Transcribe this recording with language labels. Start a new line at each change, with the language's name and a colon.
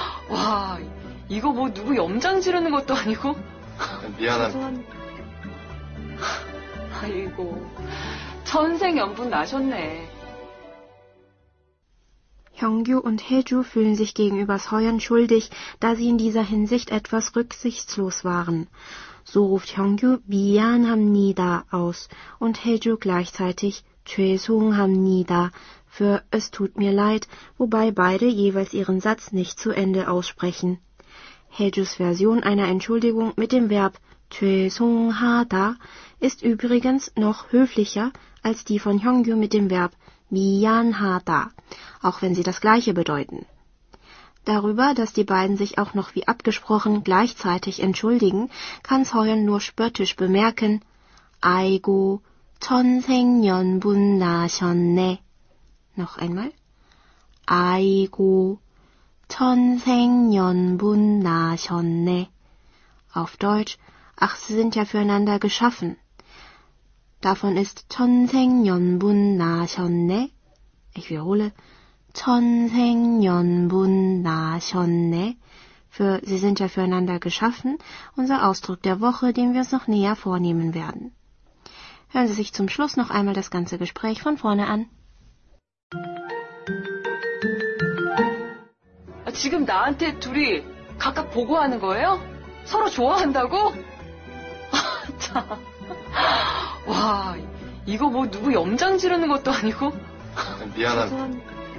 Korean: 와, 이거 뭐 누구 염장 지르는 것도 아니고? 미안합니다. 아이고, 전생 연분 나셨네.
German: Hyungyu und Haeju fühlen sich gegenüber Soyeon schuldig, da sie in dieser Hinsicht etwas rücksichtslos waren. So ruft Hyungyu
Korean: "미안합니다"
German: aus und Haeju gleichzeitig
Korean: "죄송합니다"
German: für "es tut mir leid", wobei beide jeweils ihren Satz nicht zu Ende aussprechen. Haejus Version einer Entschuldigung mit dem Verb "죄송하다" ist übrigens noch höflicher als die von Hyungyu mit dem Verb "미안하다", auch wenn sie das gleiche bedeuten. Darüber, dass die beiden sich auch noch wie abgesprochen gleichzeitig entschuldigen, kann Soyeon nur spöttisch bemerken,
Korean: 아이고, 전생 연분 나셨네.
German: Noch einmal.
Korean: 아이고, 전생 연분 나셨네.
German: Auf Deutsch, ach, sie sind ja füreinander geschaffen. Davon ist
Korean: 전생 연분 나셨네.
German: Ich wiederhole.
Korean: 전생 연분 나셨네.
German: Für sie sind ja füreinander geschaffen, unser Ausdruck der Woche, den wir uns noch näher vornehmen werden. Hören Sie sich zum Schluss noch einmal das ganze Gespräch von vorne an.
Korean: 지금 나한테 둘이 각각 보고하는 거예요? 서로 좋아한다고? 와, 이거 뭐 누구 염장 지르는 것도 아니고? 미안합니다.